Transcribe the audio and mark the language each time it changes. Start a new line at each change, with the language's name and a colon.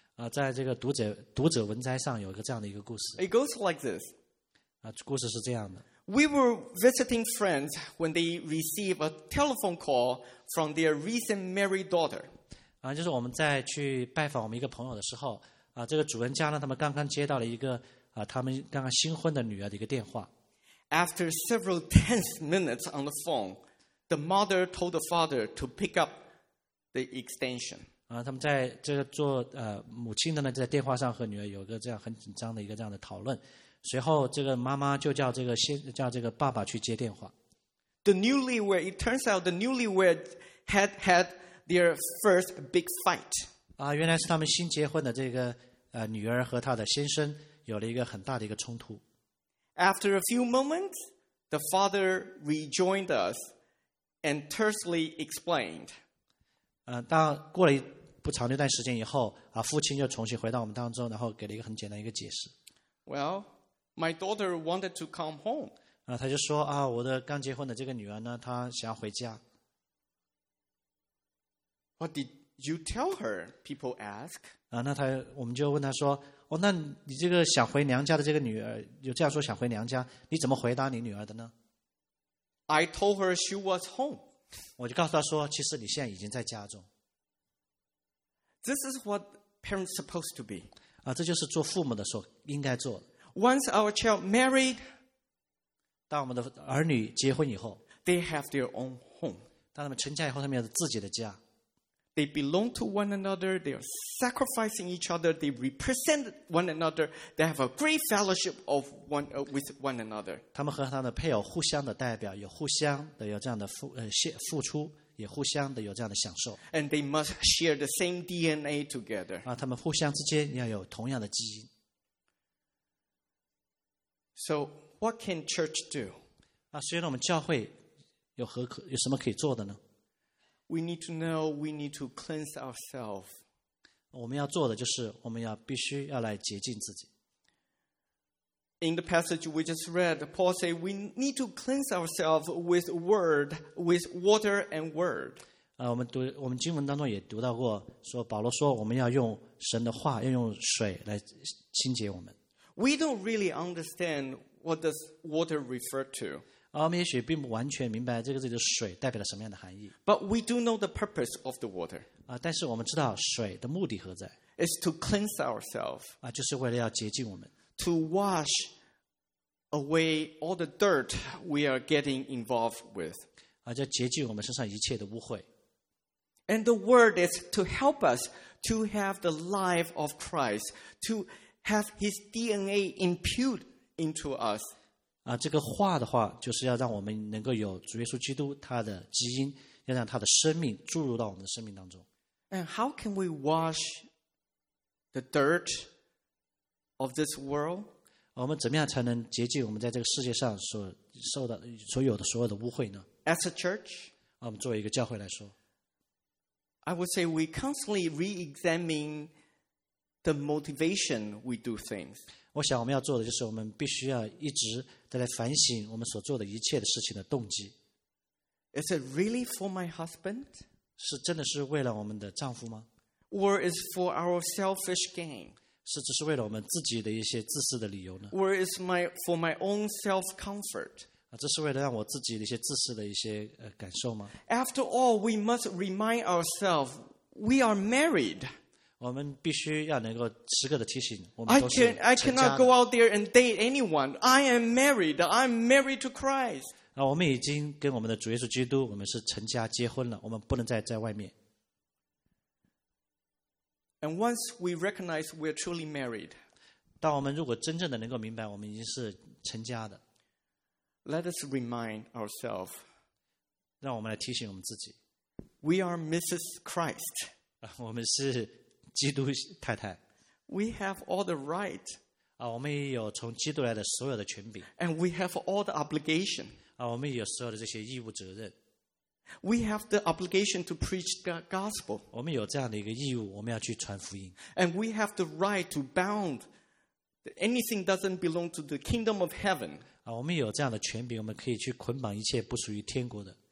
Chinese: 在这个读者文摘上有一个这样的一个故事。
English: It goes like this.
Chinese: 故事是这样的。
English: We were visiting friends when they received a telephone call from their recent married daughter.
Chinese: 就是我们在去拜访我们一个朋友的时候这个主人家呢他们刚刚接到了一个他们刚刚新婚的女儿的一个电话。
English: After several tense minutes on the phone, the mother told the father to pick up the extension.
Chinese: 他们在这个做母亲的呢在电话上和女儿有一个这样很紧张的一个这样的讨论。随后这个妈妈就叫这个爸爸去接电话。
English: The newlywed, it turns out the newlywed had their first big fight.
Chinese: 原来是他们新结婚的这个女儿和她的先生有了一个很大的一个冲突。
English: After a few moments, the father rejoined us and tersely explained.
Chinese: 当过了不长的一段时间以后父亲又重新回到我们当中然后给了一个很简单一个解释。
English: Well, my daughter wanted to come home.
Chinese: 她就说我的刚结婚的这个女儿呢她想要回家。
English: What did you tell her? People ask.
Chinese: 我们就问他说，哦，那你这个想回娘家的这个女儿，有这样说想回娘家，你怎么回答你女儿的呢？
English: I told her she was home.
Chinese: 我就告诉她说，其实你现在已经在家中。
English: This is what parents supposed to be.
Chinese: 这就是做父母的时候应该做。
English: Once our child married,
Chinese: 当我们的儿女结婚以后
English: they have their own home.
Chinese: 当他们成家以后他们有自己的家。
English: They belong to one another, they are sacrificing each other, they represent one another, they have a great fellowship of one, with one another.
Chinese: 他们和他的配偶互相的代表，有互相的有这样的 付出，也互相的有这样的享受。
English: And they must share the same DNA together.
Chinese: 他们互相之间要有同样的基因。
English: So, what can church do?
Chinese: 所以我们教会 有什么可以做的呢？
English: We need to know, we need to cleanse ourselves.
Chinese: 我们要做的就是我们要必须要来洁净自己。
English: In the passage we just read, Paul said, we need to cleanse ourselves with word, with water and word.
Chinese: 我们经文当中也读到过，说保罗说我们要用神的话，要用水来清洁我们。
English: We don't really understand what does water refer to.
Chinese: 我们也许并不完全明白这个字的水代表了什么样的含义。
English: But we do know the purpose of the water.
Chinese: 但是我们知道水的目的何在。
English: It's to cleanse ourselves.
Chinese: 就是为了要洁净我们。
English: To wash away all the dirt we are getting involved with.
Chinese: 就洁净我们身上一切的污秽。
English: And the word is to help us to have the life of Christ, to have his DNA imputed into us.
Chinese: 这个话的话就是要让我们能够有主耶稣基督他的基因，要让他的生命注入到我们的生命当中。
English: And how can we wash the dirt of this world?
Chinese: 我们怎么样才能洁净我们在这个世界上所有的所有的污秽呢？
English: As a church,
Chinese: 我们作为一个教会来说，
English: I would say we constantly re-examine the motivation we do things.
Chinese: 我想我们要做的就是我们必须要一直再来反省我们所做的一切的事情的动机。
English: Is it really for my husband?
Chinese: 是真的是为了我们的丈夫吗？
English: Or is for our selfish gain?
Chinese: 是只是为了我们自己的一些自私的理由呢？
English: Or is for my own self-comfort?
Chinese: 这是为了让我自己的一些自私的一些感受吗？
English: After all, we must remind ourselves, we are married.
Chinese: 我们必须要能够时刻的提醒我们都是成家的。
English: I cannot go out there and date anyone. I am married. I'm married to Christ.
Chinese: 我们已经跟我们的主耶稣基督，我们是成家结婚了，我们不能再在外面。
English: And once we recognize we're truly married,
Chinese: 当我们如果真正的能够明白我们已经是成家的，
English: Let us remind ourselves,
Chinese: 让我们来提醒我们自己，
English: We are Mrs. Christ.
Chinese: 我们是基督太太。
English: We have all the right.
Chinese: 我们也有从基督来的所有的权柄。
English: And we have all the obligation.
Chinese: 我们也有所有的这些义务责任。
English: We have the obligation to preach the gospel.
Chinese: 我们有这样的一个义务，我们要去传福音。
English: And we have the right to bound anything doesn't belong to the kingdom of heaven.
Chinese: 我们有这样的权柄，我们可以去捆绑一切不属于天国的。